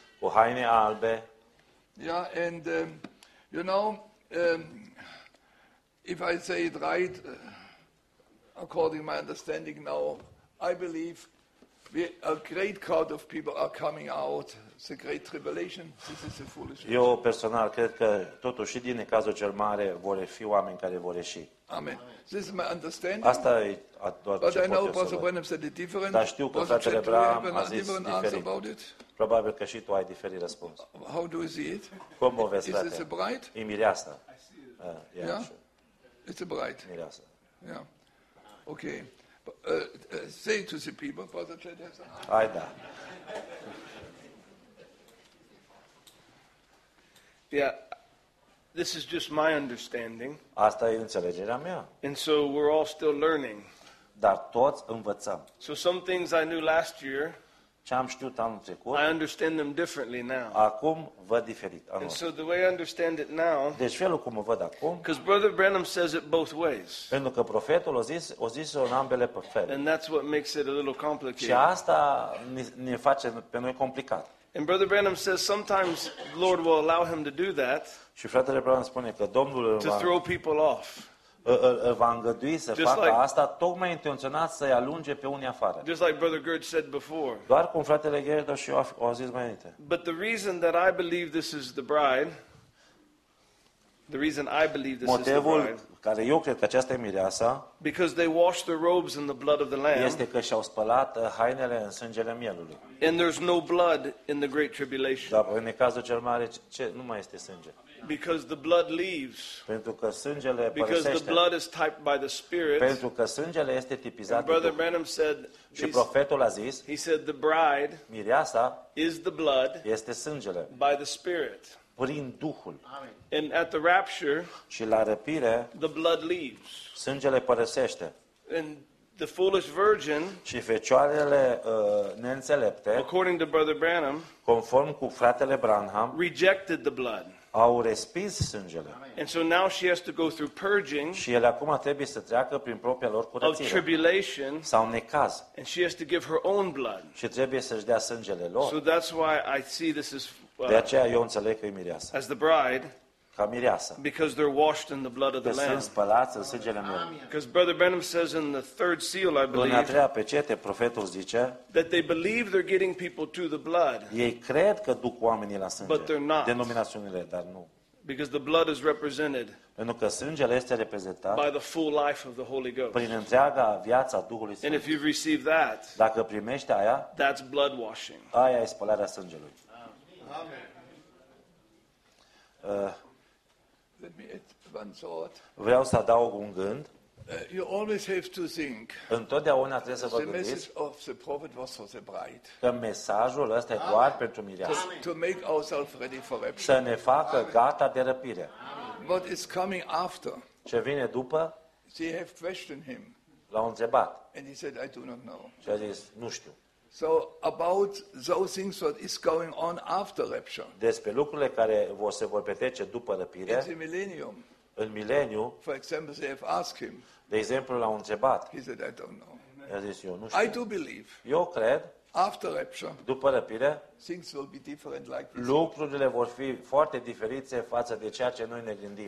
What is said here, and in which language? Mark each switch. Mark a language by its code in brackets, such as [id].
[ro] cu haine albe. [en] Yeah, and you know, if I say it right, according to my understanding now, I believe a great crowd of people are coming out. It's a great tribulation. This is a foolish. [ro] Eu personal cred că totuși din cazul cel mare vor fi oameni care vor ieși. [en] Amen. This is my understanding. [ro] Asta e doar [en] but [ro] ce [en] I know Pastor Branham said it different. [ro] Dar știu că fratele Branham a zis diferit. Probabil că și tu ai diferit răspuns. [en] How do you see it? [ro] Cum o vezi, frate? [en] Is this a bride? [ro] E mireasă. [en] Yeah. It's a bride. [ro] Mireasă. [en] Yeah. Okay. Say to the people, Father Chet has a hand. [ro] Hai da. [en] Yeah. This is just my understanding. [ro] Asta e înțelegerea mea. [en] And so we're all still learning. [ro] Dar toți învățăm. [en] So some things I knew last year, [ro] ce am știut anul trecut, [en] I understand them differently now. [ro] Acum văd diferit. [en] And so the way I understand it now, [ro] deci felul cum o văd acum, [en] because Brother Branham says it both ways. [ro] Pentru că profetul o zis-o în ambele feluri. [en] And that's what makes it a little complicated. [ro] Și asta ne face pe noi complicat. [en] And Brother Branham says sometimes the Lord will allow him to do that. [ro] Și fratele Branham spune că Domnul [en] to throw people off. [ro] Va îngădui să just facă like, asta tocmai intenționat să-i alunge pe unii afară. [en] Just like Brother Gerd said before. [ro] Doar cum fratele Gerd și eu au zis mai înainte. [en] But the reason that I believe this is the bride, the reason I believe this [ro] motivul [en] is the bride, [ro] care eu cred că aceasta e mireasa, [en] because they wash their robes in the blood of the lamb. [ro] Este că și-au spălat hainele în sângele mielului. [en] And there's no blood in the great tribulation. [ro] Da, în cazul cel mare ce nu mai este sânge. [en] Because the blood leaves. [ro] Pentru că sângele părăsește. [en] Because the blood is typed by the Spirit. [ro] Pentru că sângele este tipizat. [en] And Brother Branham said. [ro] Și profetul a zis. [en] He said the bride. [ro] Mireasa. [en] Is the blood. [ro] Este sângele. [en] By the Spirit. [ro] Prin Duhul. [en] Amen. And at the rapture. [ro] Și la răpire. [en] The blood leaves. [ro] Sângele părăsește. [en] And the foolish virgin. [ro] Și fecioarele neînțelepte. [en] According to Brother Branham. [ro] Conform cu fratele Branham. [en] Rejected the blood. [ro] Au respins sângele. [en] And so now she has to go through purging. [ro] Și ele acum trebuie să treacă prin propria lor curățire. [en] Of tribulation. [ro] Sau necaz. [en] And she has to give her own blood. [ro] Și trebuie să-și dea sângele lor. [en] So that's why I see this is. [ro] De aceea eu înțeleg că e mireasă. [en] As the bride. [ro] Ca mireasă. [en] Because they're washed in the blood of the lamb. [ro] Că sunt spălați în sângele meu. [en] Because Brother Benham says in the third seal, I believe. [ro] În a treia pecete, profetul zice. [en] That they believe they're getting people to the blood. [ro] Ei cred că duc oamenii la sânge. [en] But they're not. [ro] Denominațiunile, dar nu. [en] Because the blood is represented. [ro] Pentru că sângele este reprezentat. [en] By the full life of the Holy Ghost. [ro] Prin întreaga viață a Duhului Sfânt. [en] And if you've received that. [ro] Dacă primești aia. [en] That's blood washing. [ro] Aia e spălarea sângelui. [en] Amen. [ro] Vreau să adaug un gând. [en] You always have to think. [ro] Întotdeauna trebuie să vă gândiți. [en] The message of the prophet was for the bride. [ro] Că mesajul ăsta e doar pentru mireasă. [en] To make ourselves ready for rapture. [ro] Să ne facă gata de răpire. [en] What is coming after? [ro] Ce vine după? [en] They have questioned him. [ro] L-au întrebat. [en] And he said, I do not know. [ro] Și a zis, nu știu. [en] So about those things that is going on after rapture. [ro] Despre lucrurile care se vor petrece după răpire. [en] In the millennium. [ro] În mileniu. [en] For example, they have asked him. [ro] De exemplu, l-au întrebat. [en] He said, I don't know. [ro] I-a zis, eu nu știu. [en] I do believe. [ro] Eu cred. [en] After rapture. [ro] După răpire. [en] Things will be different like this. [ro] Lucrurile vor fi foarte diferite față de ceea ce noi ne gândim.